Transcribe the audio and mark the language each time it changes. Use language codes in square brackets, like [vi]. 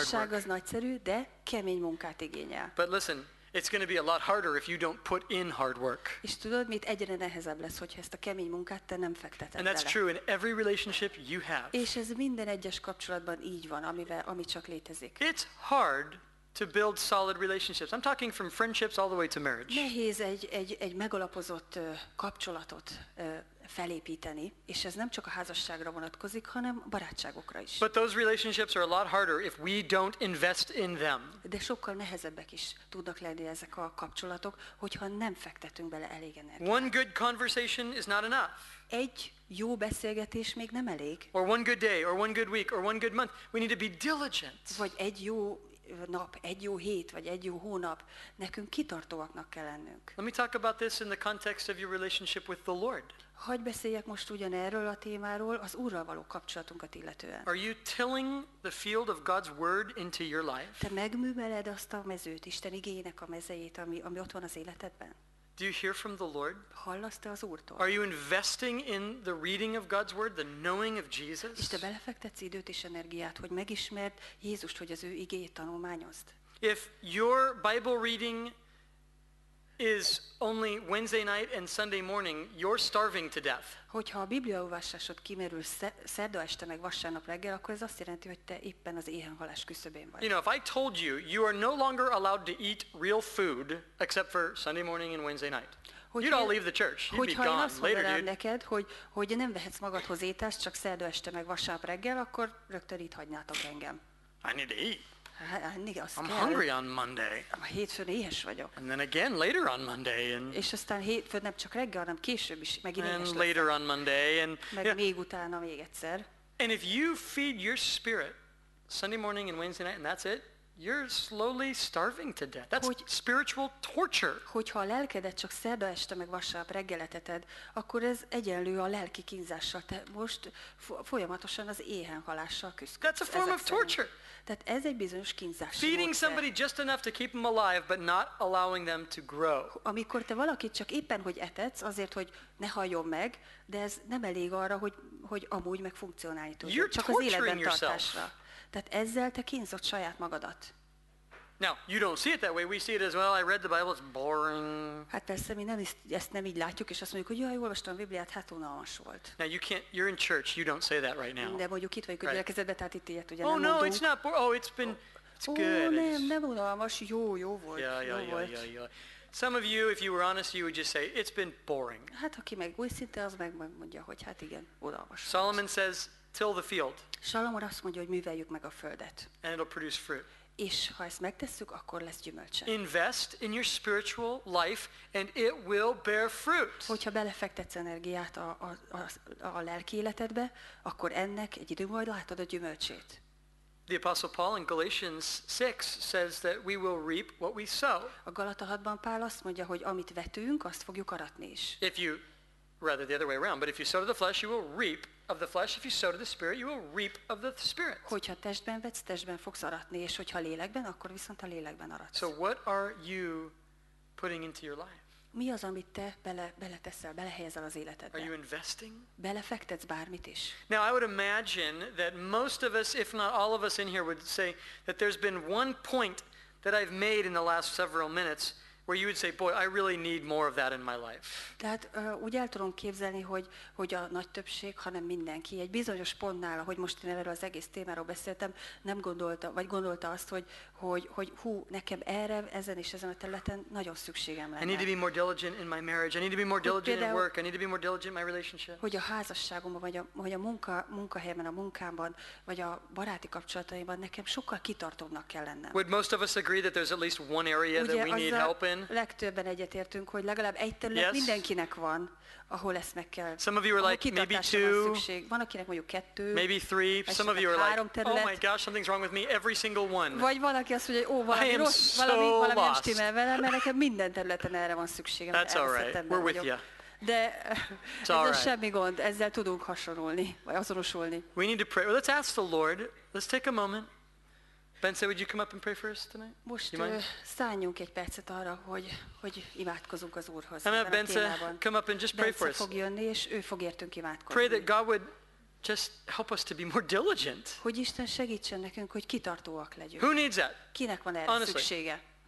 [hu] Házasság az nagyszerű, de kemény munkát igényel. [en] But listen. It's going to be a lot harder if you don't put in hard work. [hu] És tudod, mit egyre nehezebb lesz, hogyha ezt a kemény munkát te nem fekteted. [en] And that's true in every relationship you have. [hu] És ez minden egyes kapcsolatban így van, ami csak létezik. [en] It's hard to build solid relationships. I'm talking from friendships all the way to marriage. [hu] Nehéz egy megalapozott kapcsolatot felépíteni, és ez nem csak a házasságra vonatkozik, hanem a barátságokra is. [en] But those relationships are a lot harder if we don't invest in them. [hu] De sokkal nehezebbek is tudnak lenni ezek a kapcsolatok, hogyha nem fektetünk bele elég energiát. [en] One good conversation is not enough. [hu] Egy jó beszélgetés még nem elég. [en] Or one good day, or one good week, or one good month. We need to be diligent. [hu] Vagy egy jó nap, egy jó hét, vagy egy jó hónap, nekünk kitartóaknak kell lennünk. [en] Let me talk about this in the context of your relationship with the Lord. [hu] Hogy beszéljek most ugyanerről a témáról, az Úrral való kapcsolatunkat illetően. [en] Are you tilling the field of God's word into your life? [hu] Te megműveled azt a mezőt, Isten igényének a mezejét, ami ott van az életedben? [en] Do you hear from the Lord? [hu] Hallasz te az Úrtól? [en] Are you investing in the reading of God's word, the knowing of Jesus? [hu] És te belefektetsz időt és energiát, hogy megismerd Jézust, hogy az ő igéjét tanulmányozd? [en] If your Bible reading is only Wednesday night and Sunday morning, you're starving to death. [hu] Hogyha a Bibliaolvasásod kimerül szerda este meg vasárnap reggel, akkor ez azt jelenti, hogy te éppen az éhenhalás küszöbén vagy. [en] You know, if I told you, you are no longer allowed to eat real food except for Sunday morning and Wednesday night. You'd all leave the church. You'd be gone later, dude. [hu] Neked, hogy nem vehetsz magadhoz ételt, csak szerda este meg vasárnap reggel, akkor rögtön itt hagynátok engem. [en] I need to eat. I'm hungry on Monday. [hu] A hétfőn éhes vagyok. [en] And then again later on Monday. And [hu] és aztán hétfőn nem csak reggel, hanem később is megint éhes. [en] And later on Monday. And [hu] meg még utána még egyszer. [en] And if you feed your spirit Sunday morning and Wednesday night, and that's it, you're slowly starving to death. That's spiritual torture. [hu] Hogyha a lelkedet csak szerda este meg vasárnap reggel eteted, akkor ez egyenlő a lelki kínzással. Te most folyamatosan az éhenhalással küzdesz. [en] That's a form of torture. [hu] Tehát ez egy bizonyos kínzás. [en] Feeding somebody just enough to keep them alive, but not allowing them to grow. [hu] Amikor te valakit csak éppen hogy etetsz, azért hogy ne halljon meg, de ez nem elég arra, hogy amúgy meg funkcionálni tudjon. Csak az életben tartásra. Tehát ezzel te kínzod saját magadat. [en] Now, you don't see it that way. We see it as, well, I read the Bible, it's boring. [hu] Hát persze, mi nem ezt nem így látjuk, és azt mondjuk, hogy jaj, olvastam a Bibliát, hát unalmas volt. [en] Now, you can't, you're in church, you don't say that right now. [hu] De mondjuk itt vagyunk a gyülekezetben, tehát itt ilyet ugye nem mondunk. [en] Oh, no, it's not boring. Oh, it's been, it's good. [hu] Oh, nem unalmas, jó volt. [en] Yeah. Some of you, if you were honest, you would just say, it's been boring. [hu] Hát aki meg őszinte, az meg mondja, hogy hát igen, unalmas. [en] Solomon says, till the field. [hu] Salomon azt mondja, hogy műveljük meg a földet. [en] And it'll produce fruit. [hu] És ha ezt megtesszük, akkor lesz gyümölcse. [en] Invest in your spiritual life and it will bear fruit. [hu] Hogyha belefektetsz energiát a lelki életedbe, akkor ennek egy idő majd látod a gyümölcsét. [en] The Apostle Paul in Galatians 6 says that we will reap what we sow. [hu] A Galata 6-ban Pál azt mondja, hogy amit vetünk, azt fogjuk aratni is. [en] Rather the other way around, but if you sow to the flesh, you will reap of the flesh. If you sow to the spirit, you will reap of the spirit. [hu] Hogyha testben vetsz, testben fogsz aratni, és hogyha lélekben, akkor viszont a lélekben aratsz. [en] So what are you putting into your life? [hu] Mi az, amit te beleteszel, belehelyezel az életedbe? [en] Are you investing? [hu] Belefektetsz bármit is? [en] Now I would imagine that most of us, if not all of us in here, would say that there's been one point that I've made in the last several minutes where you would say, boy, I really need more of that in my life. [hu] Tehát úgy el tudom képzelni, hogy a nagy többség, hanem mindenki. Egy bizonyos pontnál, ahogy most én erről az egész témáról beszéltem, nem gondolta, vagy gondolta azt, hogy hú, nekem erre, ezen és ezen a területen nagyon szükségem lenne. [en] I need to be more diligent in my marriage. I need to be more diligent in work. I need to be more diligent in my relationship. [hu] Hogy a házasságomban, vagy a munkahelyemen, a munkámban, vagy a baráti kapcsolataimban nekem sokkal kitartóbbnak kell lennem. [en] Would most of us agree that there's at least one area that we need help in? [hu] Legtöbben egyetértünk, hogy legalább egy terület mindenkinek van, ahol ezt meg kell. [en] Some of you are like maybe two. [hu] Van akinek mondjuk kettő. [en] Maybe three. Some of you are like, oh my gosh, something's wrong with me. Every single one. [hu] Vagy van aki azt mondja, ó, valami nem stimmel velem, mert nekem minden területen erre van szükségem. [en] That's all right. We're with you. [hu] De ez semmi gond, ezzel tudunk hasonlulni, vagy azonosulni. [en] We need to pray. Well, let's ask the Lord. Let's take a moment. Bence, would you come up and pray for us tonight? [hu] Most szálljunk egy percet arra, hogy imádkozunk az Úrhoz. [en] And have Bence come up and just pray for us. [hu] Bence fog jönni, és ő fog értünk imádkozni. [en] Pray that God would just help us to be more diligent. [hu] Hogy Isten segítsen nekünk, hogy kitartóak legyünk. [en] Who needs that? [hu] Kinek van erre szüksége?